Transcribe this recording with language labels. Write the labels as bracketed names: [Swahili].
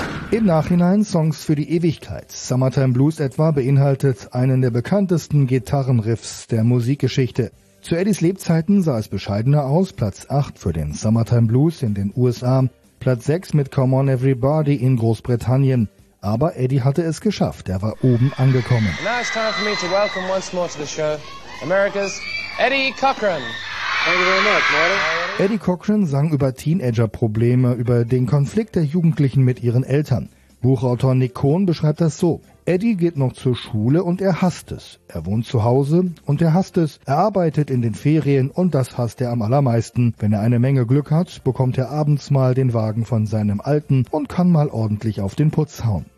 [German] Im Nachhinein Songs für die Ewigkeit. Summertime Blues etwa beinhaltet einen der bekanntesten Gitarrenriffs der Musikgeschichte. Zu Eddies Lebzeiten sah es bescheidener aus. Platz 8 für den Summertime Blues in den USA. Platz 6 mit Come On Everybody in Großbritannien. Aber Eddie hatte es geschafft. Er war oben angekommen. [English] Now it's time for me to welcome once more to the show America's Eddie Cochran. Thank you very much, Marty. [German] Eddie Cochran sang über Teenager-Probleme, über den Konflikt der Jugendlichen mit ihren Eltern. Buchautor Nick Cohn beschreibt das so. Eddie geht noch zur Schule und er hasst es. Er wohnt zu Hause und er hasst es. Er arbeitet in den Ferien und das hasst er am allermeisten. Wenn er eine Menge Glück hat, bekommt er abends mal den Wagen von seinem Alten und kann mal ordentlich auf den Putz hauen.